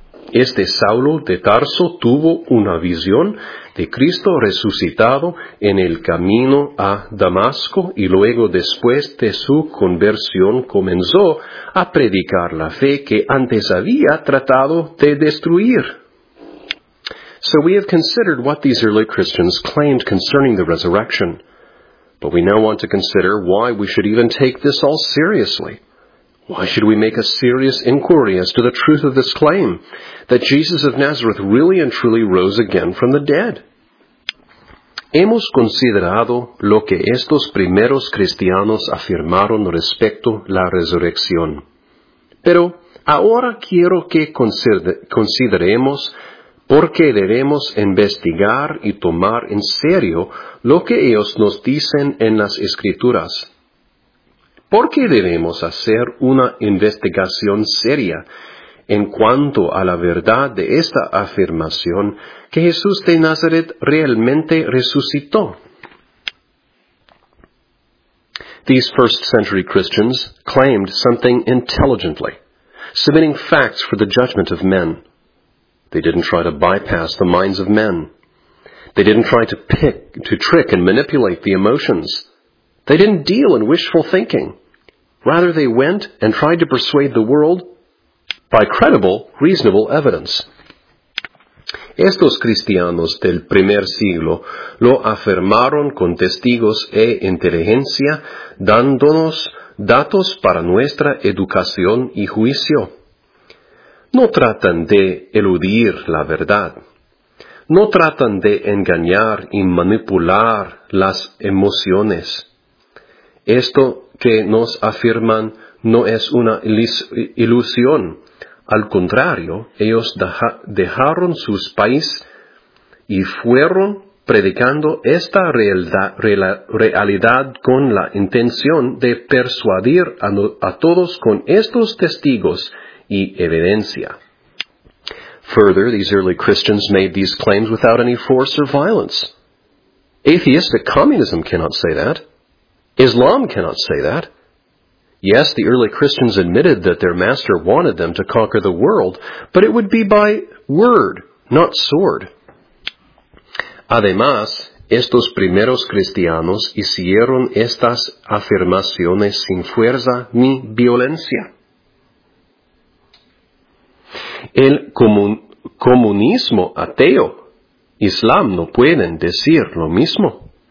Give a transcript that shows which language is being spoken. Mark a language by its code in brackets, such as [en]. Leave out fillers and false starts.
[es] Este Saulo de Tarso tuvo una visión de Cristo resucitado en el camino a Damasco y luego después de su conversión comenzó a predicar la fe que antes había tratado de destruir. [en] So we have considered what these early Christians claimed concerning the resurrection, but we now want to consider why we should even take this all seriously. Why should we make a serious inquiry as to the truth of this claim, that Jesus of Nazareth really and truly rose again from the dead? [es] Hemos considerado lo que estos primeros cristianos afirmaron respecto la resurrección. Pero ahora quiero que consideremos por qué debemos investigar y tomar en serio lo que ellos nos dicen en las Escrituras. ¿Por qué debemos hacer una investigación seria en cuanto a la verdad de esta afirmación que Jesús de Nazaret realmente resucitó? [en] These first century Christians claimed something intelligently, submitting facts for the judgment of men. They didn't try to bypass the minds of men. They didn't try to trick and manipulate the emotions. They didn't deal in wishful thinking. Rather, they went and tried to persuade the world by credible, reasonable evidence. [es] Estos cristianos del primer siglo lo afirmaron con testigos e inteligencia, dándonos datos para nuestra educación y juicio. No tratan de eludir la verdad. No tratan de engañar y manipular las emociones. Esto que nos afirman no es una ilusión. Al contrario, ellos dejaron sus países y fueron predicando esta realidad con la intención de persuadir a todos con estos testigos y evidencia. [en] Further, these early Christians made these claims without any force or violence. Atheistic communism cannot say that. Islam cannot say that. Yes, the early Christians admitted that their master wanted them to conquer the world, but it would be by word, not sword. [es] Además, estos primeros cristianos hicieron estas afirmaciones sin fuerza ni violencia. El comunismo ateo, Islam, no pueden decir lo mismo.